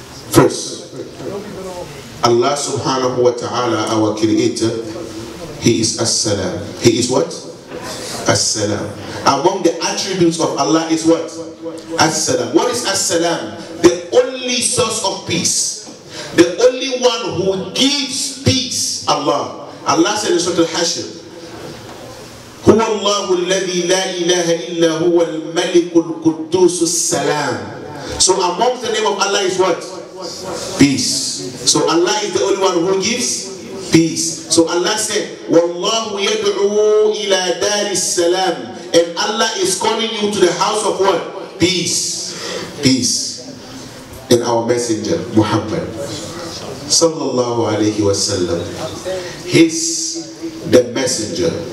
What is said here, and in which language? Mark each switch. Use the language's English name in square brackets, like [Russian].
[English] First, Allah subhanahu wa ta'ala, our creator, He is As-Salam. He is what? As-Salam. Among the attributes of Allah is what? As-Salam. What is As-Salam? The only source of peace. The only one who gives peace, Allah. Allah said in Surah Al-Hashr, [Arabic] هو الله الذي لا إله إلا هو الملك القدوس السلام. [English] So among the name of Allah is what? Peace. So Allah is the only one who gives peace. So Allah said, [Arabic] Wallahu yad'u ila dari salam. [English] And Allah is calling you to the house of what? Peace. Peace. And our messenger, Muhammad, sallallahu alayhi wa sallam, he's the messenger.